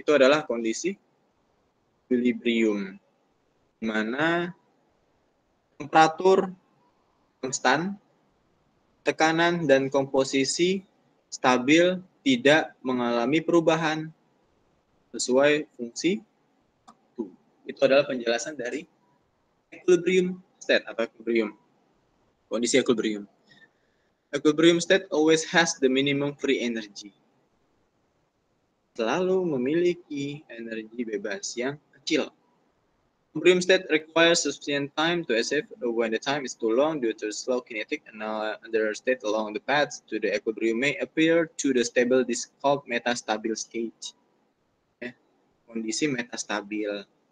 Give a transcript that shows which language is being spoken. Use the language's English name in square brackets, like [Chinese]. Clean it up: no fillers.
[Indonesian] Itu adalah kondisi equilibrium, di mana temperatur konstan, tekanan dan komposisi stabil, tidak mengalami perubahan sesuai fungsi waktu. Itu adalah penjelasan dari equilibrium state atau equilibrium, kondisi equilibrium. [English] Equilibrium state always has the minimum free energy. [Indonesian] Selalu memiliki energi bebas yang kecil. [English] Equilibrium state requires sufficient time to escape when the time is too long due to slow kinetic and other state along the path to the equilibrium may appear to the stable. This called metastable state. [Indonesian] Kondisi metastabil.